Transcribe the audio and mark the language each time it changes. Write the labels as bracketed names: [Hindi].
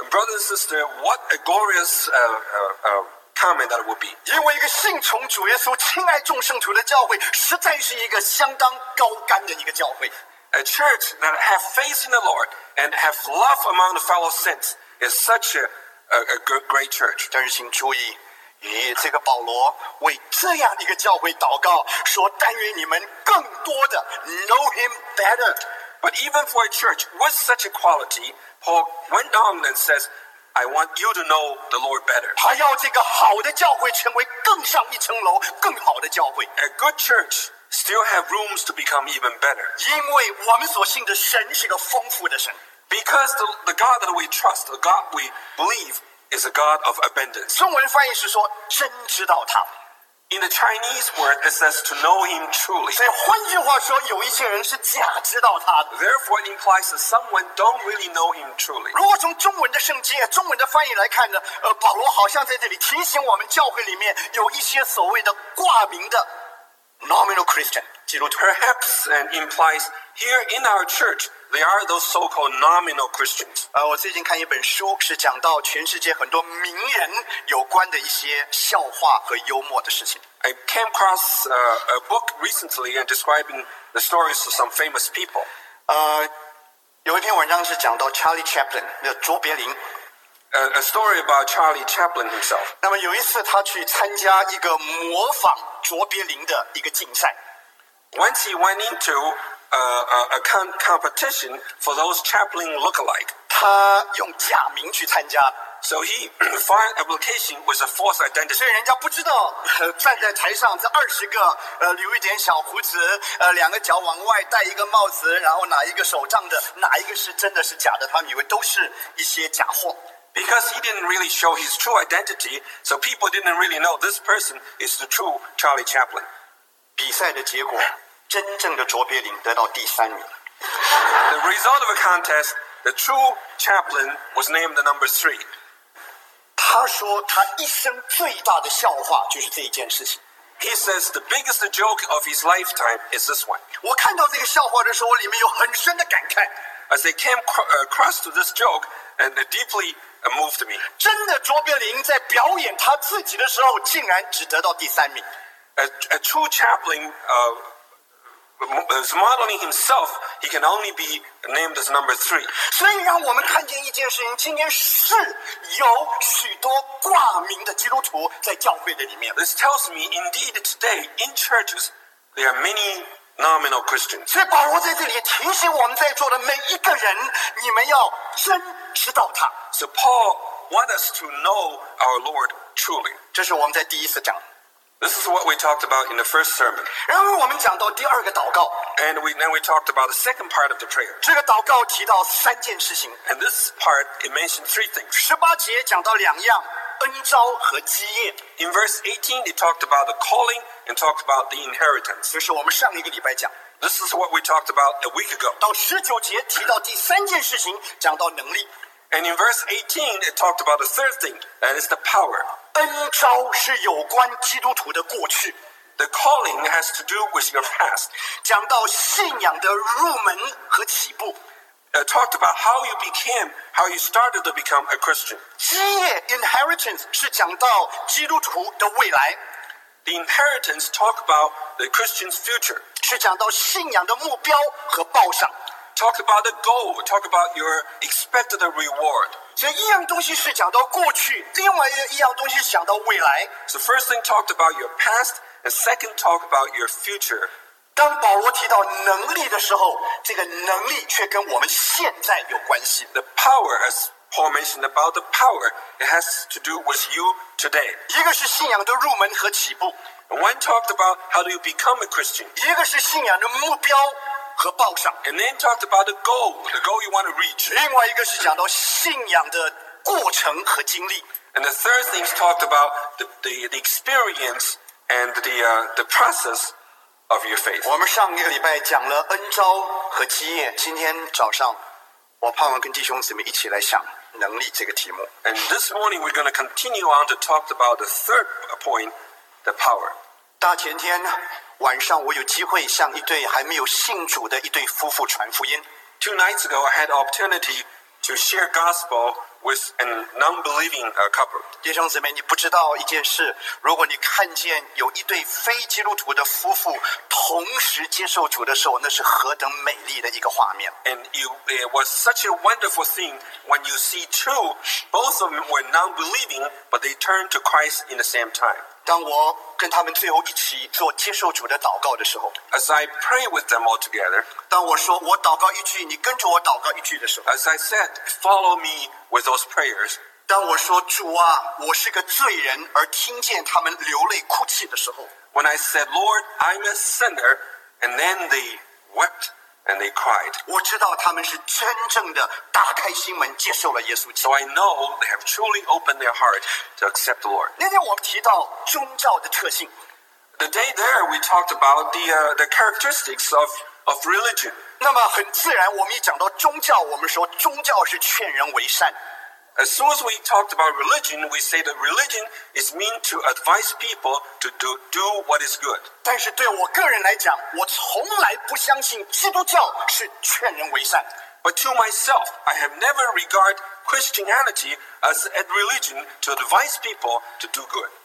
[English] Brothers and sisters, what a glorious comment that would be. [Chinese] 因为一个信从主耶稣、亲爱众圣徒的教会，实在是一个相当高干的一个教会。 [English] A church that have faith in the Lord and have love among the fellow saints is such a great church. [Chinese] 但是请注意。与这个保罗为这样一个教会祷告，说：“但愿你们更多的 [English] know him better。” But even for a church with such a quality, Paul went on and says, "I want you to know the Lord better." [Chinese] 他要这个好的教会成为更上一层楼、更好的教会。 [English] A good church still have rooms to become even better. [Chinese] 因为我们所信的神是个丰富的神。 [English] Because the God that we trust, the God we believe. Is a God of abundance. [Chinese] 中文翻译是说真知道他。 [English] In the Chinese word, it says to know him truly. [Chinese] 所以换句话说，有一些人是假知道他的。 [English] Therefore, it implies that someone don't really know him truly. [Chinese] 如果从中文的圣经、中文的翻译来看呢，保罗好像在这里提醒我们，教会里面有一些所谓的挂名的 nominal Christian 基督徒。 [English] Perhaps and implies here in our church. They are those so-called nominal Christians. [Chinese] 我最近看一本书，是讲到全世界很多名人有关的一些笑话和幽默的事情。 [English] I came across a book recently and describing the stories of some famous people. [Chinese] 有一篇文章是讲到 Charlie Chaplin 的卓别林。 [English] A story about Charlie Chaplin himself. [Chinese] 那么有一次他去参加一个模仿卓别林的一个竞赛。 [English] Once he went into a competition for those Chaplin look-alike. [Chinese] 他用假名去参加。 [English] So he filed application with a false identity. [Chinese] 所以人家不知道站在台上这二十个留一点小胡子两个脚往外戴一个帽子然后哪一个手杖的哪一个是真的是假的他们以为都是一些假货。 [English] Because he didn't really show his true identity, so people didn't really know this person is the true Charlie Chaplin. [Chinese] 比赛的结果真正的卓别林得到第三名。 [English] The result of a contest, the true chaplain was named the number three. [Chinese] 他说他一生最大的笑话就是这一件事情。 [English] He says the biggest joke of his lifetime is this one. [Chinese] 我看到这个笑话的时候，我里面有很深的感慨。 [English] As they came across to this joke, and deeply moved me. [Chinese] 真的卓别林在表演他自己的时候，竟然只得到第三名。 [English] A true chaplain modeling himself, he can only be named as number three. [Chinese] 所以让我们看见一件事情，今天是有许多挂名的基督徒在教会的里面。 [English] This tells me, indeed, today in churches there are many nominal Christians. [Chinese] 所以保罗在这里提醒我们在座的每一个人，你们要真知道他。 [English] So Paul wants us to know our Lord truly. [Chinese] 这是我们在第一次讲。 [English] This is what we talked about in the first sermon. [Chinese] 然后我们讲到第二个祷告。 [English] And then we talked about the second part of the prayer. [Chinese] 这个祷告提到三件事情。 [English] And this part, it mentioned three things. [Chinese] 十八节讲到两样，恩召和基业。 [English] In verse 18, it talked about the calling and talked about the inheritance. [Chinese] 就是我们上一个礼拜讲。 [English] This is what we talked about a week ago. [Chinese] 到十九节提到第三件事情，讲到能力。 [English] And in verse 18, it talked about the third thing, and it's the power. [Chinese] 恩召是有关基督徒的过去。 [English] The calling has to do with your past. [Chinese] 讲到信仰的入门和起步。 [English] Talked about how you started to become a Christian. [Chinese] 基业 inheritance 是讲到基督徒的未来。 [English] The inheritance talk about the Christian's future. [Chinese] 是讲到信仰的目标和报赏。 [English] Talk about the goal. Talk about your expected reward. [Chinese] 所以一样东西是讲到过去，另外一样东西是讲到未来。 [English] So first thing talked about your past, and second talk about your future. [Chinese] 当保罗提到能力的时候，这个能力却跟我们现在有关系。 [English] The power, as Paul mentioned about the power, it has to do with you today. [Chinese] 一个是信仰的入门和起步。 [English] One talked about how do you become a Christian. [Chinese] 一个是信仰的目标和报上。 [English] And then talked about the goal, the goal you want to reach. [Chinese] 另外一个是讲到信仰的过程和经历。 [English] And the third thing is talked about the experience and the process of your faith. [Chinese] 我们上个礼拜讲了恩召和基业，今天早上我盼望跟弟兄姊妹一起来想能力这个题目。 [English] And this morning we're going to continue on to talk about the third point, the power. [Chinese] 大前天晚上我有机会向一对还没有信主的一对夫妇传福音。 [English] Two nights ago, I had opportunity to share gospel with an non-believing couple. [Chinese] 弟兄姊妹，你不知道一件事，如果你看见有一对非基督徒的夫妇同时接受主的时候，那是何等美丽的一个画面。 [English] And it was such a wonderful thing when you see two, both of them were non-believing, but they turned to Christ in the same time. [Chinese] 当我跟他们最后一起做接受主的祷告的时候 [English] ，As I pray with them all together， [Chinese] 当我说我祷告一句，你跟着我祷告一句的时候 [English] ，As I said， follow me with those prayers， [Chinese] 当我说主啊，我是个罪人，而听见他们流泪哭泣的时候 [English] ，When I said Lord， I'm a sinner， and then they wept and they cried， [Chinese] 我知道他们是真正的打开心门接受了耶稣基督 [English] ，So I know they have truly opened their heart to accept the Lord。 [Chinese] 那天我们提到宗教的特性 [English] ，The day there we talked about the characteristics of religion。 [Chinese] 那么很自然，我们一讲到宗教，我们说宗教是劝人为善。 [English] As soon as we talked about religion, we say that religion is meant to advise people to do what is good. [Chinese] 但是对我个人来讲，我从来不相信基督教是劝人为善。 [English] But to myself, I have never regarded Christianity as a religion to advise people to do good.